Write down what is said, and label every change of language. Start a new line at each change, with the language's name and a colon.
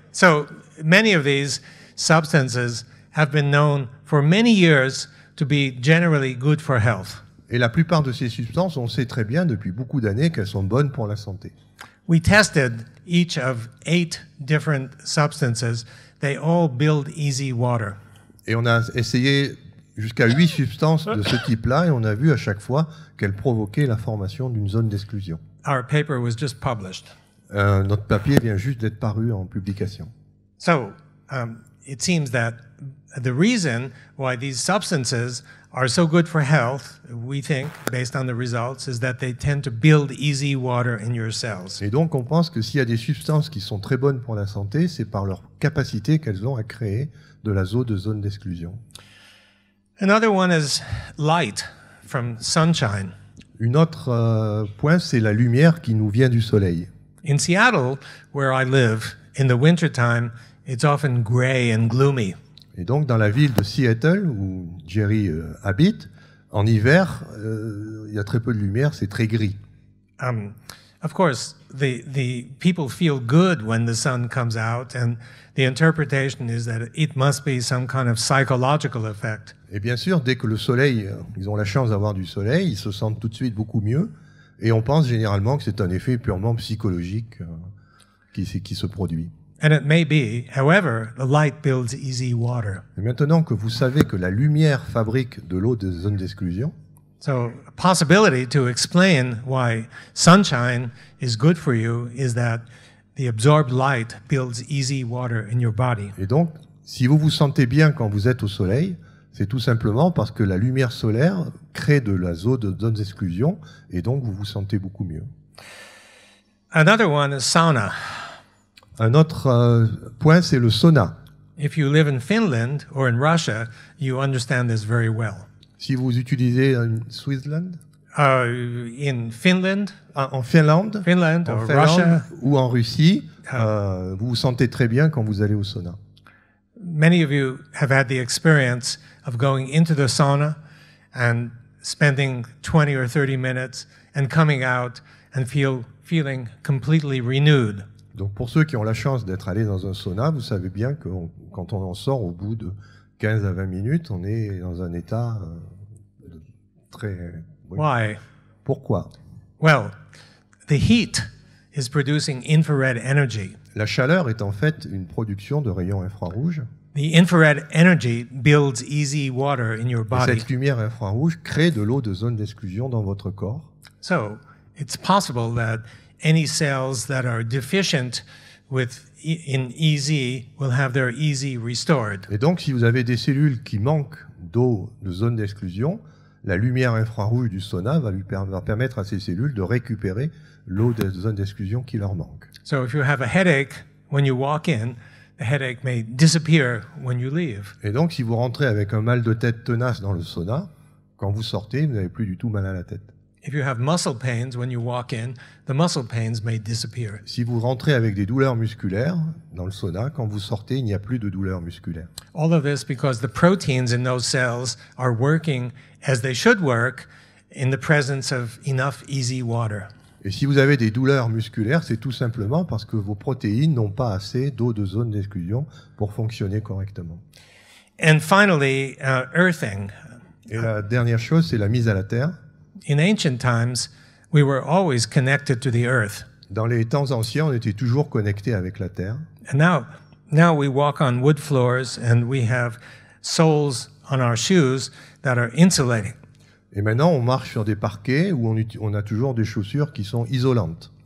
English: So, many of these substances have been known for many years to be generally good for health.
French: Et la plupart de ces substances, on sait très bien depuis beaucoup d'années qu'elles sont bonnes pour la santé.
English: We tested each of 8 different substances. They all build easy water.
French: Et on a essayé jusqu'à 8 substances de ce type-là et on a vu à chaque fois qu'elles provoquaient la formation d'une zone d'exclusion.
English: Our paper was just published.
French: Notre papier vient juste d'être paru en publication.
English: So, it seems that the reason why these substances are so good for health, we think, based on the results, is that they tend to build easy water in your cells.
French: Et donc, on pense que s'il y a des substances qui sont très bonnes pour la santé, c'est par leur capacité qu'elles ont à créer de l'azo de zone d'exclusion.
English: Another one is light from sunshine.
French: Une autre point, c'est la lumière qui nous vient du soleil.
English: In Seattle, where I live, in the wintertime, it's often gray and gloomy.
French: Et donc, dans la ville de Seattle, où Jerry habite, en hiver, il y a très peu de lumière, c'est très gris.
English: Of course, the people feel good when the sun comes out, and the interpretation is that it must be some kind of psychological effect.
French: Et bien sûr, dès que le soleil, ils ont la chance d'avoir du soleil, ils se sentent tout de suite beaucoup mieux, et on pense généralement que c'est un effet purement psychologique qui se produit.
English: And it may be, however, the light builds easy water.
French: Et maintenant que vous savez que la lumière fabrique de l'eau de zone d'exclusion,
English: so a possibility to explain why sunshine is good for you is that the absorbed light builds easy water in your body.
French: Et donc, si vous vous sentez bien quand vous êtes au soleil, c'est tout simplement parce que la lumière solaire crée de la zone d'exclusion et donc vous vous sentez beaucoup mieux.
English: Another one is sauna.
French: Un autre point, c'est le sauna.
English: If you live in Finland or in Russia, you understand this very well.
French: Si vous utilisez en Switzerland,
English: in Finland,
French: en Finlande,
English: Finland or
French: en Finlande,
English: Russia,
French: ou en Russie, vous vous sentez très bien quand vous allez au sauna.
English: Many of you have had the experience of going into the sauna and spending 20 or 30 minutes and coming out and feeling completely renewed.
French: Donc pour ceux qui ont la chance d'être allés dans un sauna, vous savez bien que quand on en sort au bout de 15 à 20 minutes, on est dans un état très...
English: Why?
French: Pourquoi?
English: Well, the heat is producing infrared energy.
French: La chaleur est en fait une production de rayons infrarouges.
English: The infrared energy builds easy water in your body.
French: Et cette lumière infrarouge crée de l'eau de zone d'exclusion dans votre corps.
English: So, it's possible that any cells that are deficient in EZ will have their EZ restored.
French: Et donc, si vous avez des cellules qui manquent d'eau de zone d'exclusion, la lumière infrarouge du sauna va permettre à ces cellules de récupérer l'eau de zone d'exclusion qui leur manque.
English: So if you have a headache when you walk in, the headache may disappear when you leave.
French: Et donc, si vous rentrez avec un mal de tête tenace dans le sauna, quand vous sortez, vous n'avez plus du tout mal à la tête.
English: If you have muscle pains when you walk in, the muscle pains may disappear.
French: Si vous rentrez avec des douleurs musculaires dans le sauna, quand vous sortez, il n'y a plus de douleurs musculaires.
English: All of this because the proteins in those cells are working as they should work in the presence of enough easy water.
French: Et si vous avez des douleurs musculaires, c'est tout simplement parce que vos protéines n'ont pas assez d'eau de zone d'exclusion pour fonctionner correctement.
English: And finally, earthing.
French: Et la dernière chose, c'est la mise à la terre.
English: In ancient times, we were always connected to the earth.
French: Dans les temps anciens, on était toujours connecté avec la terre.
English: And now we walk on wood floors and we have soles on our shoes that are insulating.
French: Et maintenant, on marche sur des parquets où on a toujours des chaussures qui sont isolantes.